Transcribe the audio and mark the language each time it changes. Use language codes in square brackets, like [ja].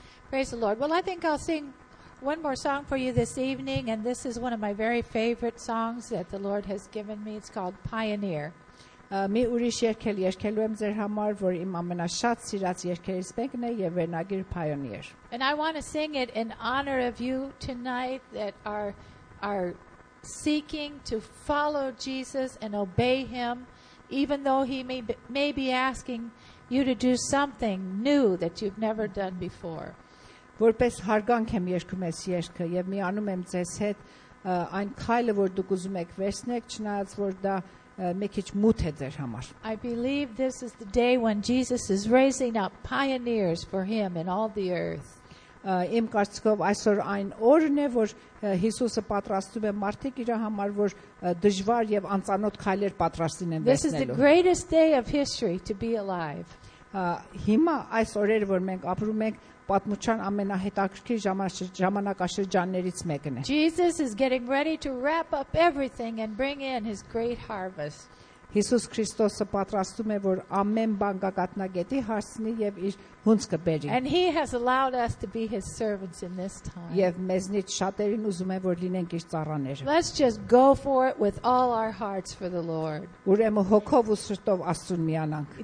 [en] Praise the Lord. Well, I think I'll sing one more song for you this evening, and this is one of my very favorite songs that the Lord has given me. It's called Pioneer. [hy] Մի ուրիշ երգել երգելու եմ ձեր համար, որ իմ ամենաշատ սիրած երգերից մեկն է եւ վերնագիր Pioneer. [en] And I want to sing it in honor of you tonight that are seeking to follow Jesus and obey him even though he may be asking you to do something new that you've never done before. [hy] Որպես հարգանք եմ երգում ես երգը եւ միանում եմ ձեզ հետ այն քայլը որ դուք ուզում եք վերցնեք չնայած որ դա մի քիչ մութ է ձեր համար. [en] I believe this is the day when Jesus is raising up pioneers for him in all the earth. [hy] Իմ կարծիքով այսօր այն օրն է որ Հիսուսը պատրաստում է մարդիկ իր համար որ դժվար եւ անծանոթ քայլեր պատրաստին են վերցնելու. [en] This is the greatest day of history to be alive. [hy] Հիմա այս օրերը որ մենք ապրում ենք պատմության ամենահետաքրքիր ժամանակաշրջաններից մեկն է։ [en] Jesus is getting ready to wrap up everything and bring in his great harvest. [hy] Հիսուս Քրիստոսը պատրաստում է, որ ամեն բան գագաթնագետի հասնի եւ իր հունցը բերի։ [en] And he has allowed us to be his servants in this time. [hy] Եվ մեզնից շատերին ուզում է, որ լինենք իր ծառաները։ [en] Let's just go for it with all our hearts for the Lord. [hy] Ուրեմն հոգով ու սրտով Աստծուն միանանք։